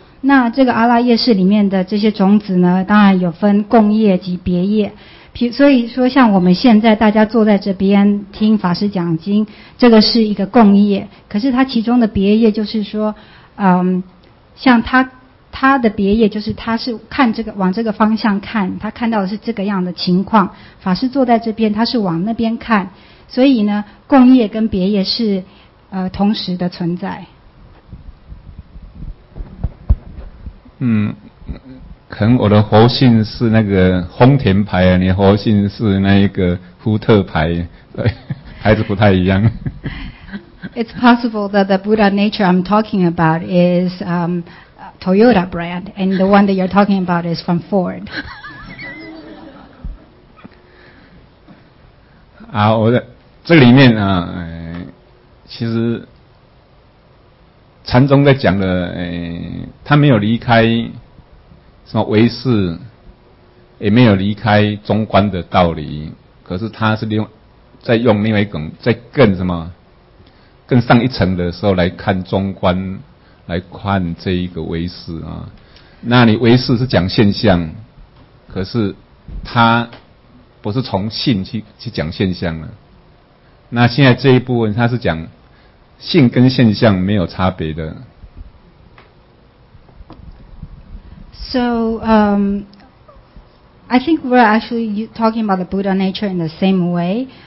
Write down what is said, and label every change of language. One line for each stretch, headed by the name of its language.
Chinese: 那这个阿拉耶世里面的这些种子呢，当然有分共业及别业，所以说像我们现在大家坐在这边听法师讲经，这个是一个共业，可是他其中的别业就是说像他的别业就是他是看这个往这个方向看，他看到的是这个样的情况，法师坐在这边他是往那边看，所以呢共业跟别业是同时的存在。可能我的佛性是那个丰田牌，你佛性是那一个福特牌，对，牌子不太一样。
English: It's possible that the Buddha nature I'm talking about is Toyota brand, and the one that you're talking about is from Ford.
Chinese: 啊，我的这里面啊，其实禅宗在讲的，他没有离开。什么唯识也没有离开中观的道理，可是他是在用另外一种在更什么更上一层的时候来看中观，来看这一个唯识啊。那你唯识是讲现象，可是他不是从性去讲现象了。那现在这一部分他是讲性跟现象没有差别的。
English: So I think we're actually talking about the Buddha nature in the same way.